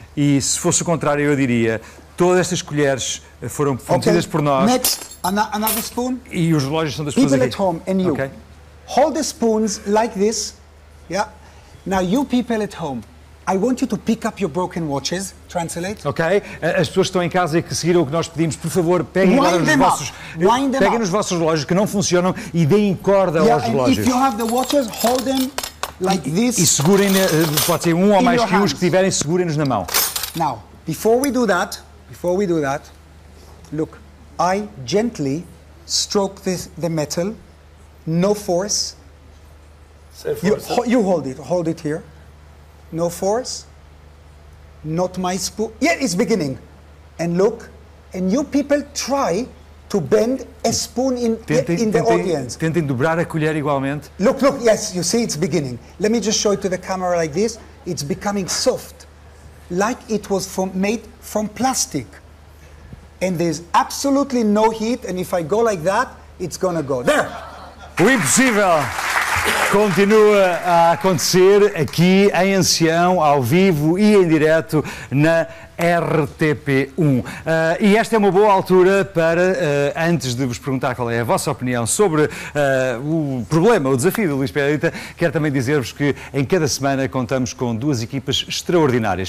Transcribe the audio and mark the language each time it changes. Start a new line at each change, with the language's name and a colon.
Portuguese: E se fosse o contrário, eu diria. Todas estas colheres foram fornecidas por nós.
English: Next, another spoon.
Portuguese: E os relógios são das pessoas
English: aqui. People at home and you. Okay. Hold the spoons like this. Yeah. Now you people at home. I want you to pick up your broken watches. Translate. Okay.
Portuguese: As pessoas que estão em casa e que seguiram o que nós pedimos, por favor, peguem os vossos relógios que não funcionam e deem corda aos relógios.
English: If you have the watches, hold them like this.
Portuguese: E segurem, pode ser um ou mais que uns que tiverem, segurem-nos na mão.
English: Now, before we do that, look, I gently stroke the metal, no force. You hold it. Hold it here. No force, not my spoon. Yeah, it's beginning. And look, and you people try to bend a spoon in the audience.
Portuguese: Tentem dobrar a colher igualmente.
English: Look, yes, you see, it's beginning. Let me just show it to the camera like this. It's becoming soft, like it was made from plastic. And there's absolutely no heat, and if I go like that, it's gonna go. There!
Portuguese: O impossível! Continua a acontecer aqui em Ancião, ao vivo e em direto na RTP1. E esta é uma boa altura para, antes de vos perguntar qual é a vossa opinião sobre o problema, o desafio do Luís Pedrita, quero também dizer-vos que em cada semana contamos com duas equipas extraordinárias.